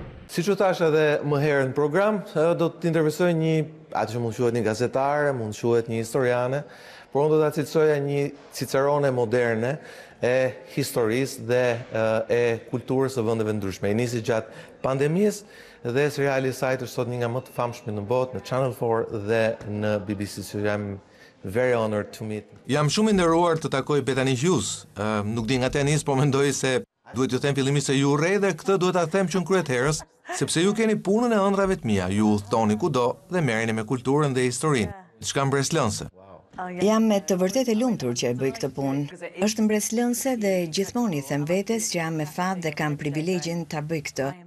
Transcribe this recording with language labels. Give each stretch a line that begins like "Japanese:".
Albanian: Siç u thash edhe më herë në program, do të intervistoj një atë që mund quhet një gazetare, mund quhet një historiane, por unë do ta cilësoja një cicerone moderne e historisë dhe e kulturës së vendeve ndryshme. I nisi gjatë pandemisë dhe seriali i saj është sot një nga më të famshmit në botë në Channel 4 dhe në BBC.
English: So
Albanian: jam
English: very honored to meet.
Albanian: Jam shumë i nderuar të takoj Bethany Hughes. Nuk di nga te nisë, po mendoj se duhet ju them fillimisht se ju urrej dhe këtë duhet ta them që në kryeterës, sepse ju keni punën e ëndrave të mia, ju udhtoni kudo dhe merreni me kulturën dhe historinë. Çka mbreslënse? Jam me të vërtet e lumtur që e bëj këtë punë. Është mbreslënse dhe gjithmonë i them vetes që jam me fat dhe kam privilegjin ta bëj këtë.